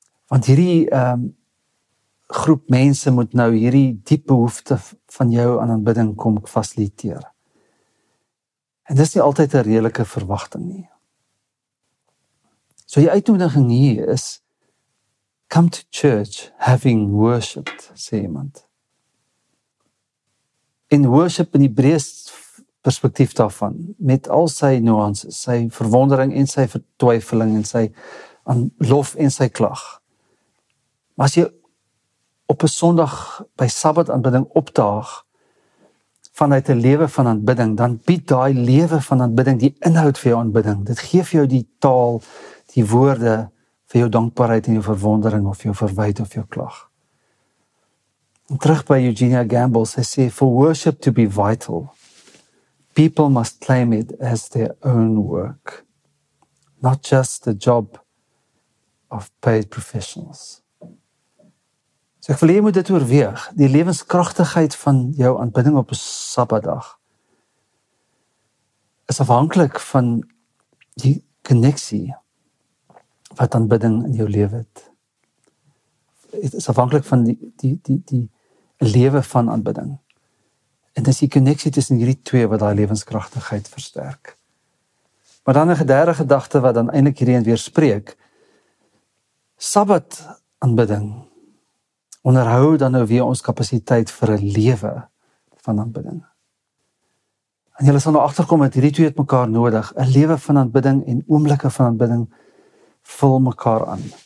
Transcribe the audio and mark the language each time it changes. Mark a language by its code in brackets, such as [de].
[af] Want hierdie groep mense moet nou hierdie diep behoefte van jou aan aanbidding kom fasiliteer. En dis nie altyd 'n redelike verwagting nie. So die uitnodiging hier is, [en] come to church having worshipped, [af] sê iemand. In worship in die Hebreeus perspectief daarvan, met al sy nuances, sy verwondering en sy vertwijfeling en sy aan lof en sy klag. Maar as jy op 'n Sondag by Sabbat aanbidding opdaag vanuit 'n lewe van aanbidding, dan bied daai lewe van aanbidding die inhoud vir jou aanbidding. Dit gee vir jou die taal, die woorde vir jou dankbaarheid en jou verwondering of jou verwyte of jou klag. En terug by Eugenia Gamble, sy sê, [en] "For worship to be vital, people must claim it as their own work, not just the job of paid professionals." [af] So ek wil jy moet dit oorweeg, die lewenskragtigheid van jou aanbidding op 'n Sabbatdag is afhanklik van die koneksie wat aanbidding in jou lewe het. Dit is afhanklik van die lewe van aanbidding. En dis die koneksie tussen hierdie twee wat daai lewenskragtigheid versterk. Maar dan 'n derde gedagte wat dan eintlik hierheen weer spreek. Sabbat aanbidding onderhou dan nou weer ons kapasiteit vir 'n lewe van aanbidding. En jy sal nou agterkom dat hierdie twee het mekaar nodig. 'N lewe van aanbidding en oomblikke van aanbidding vul mekaar aan.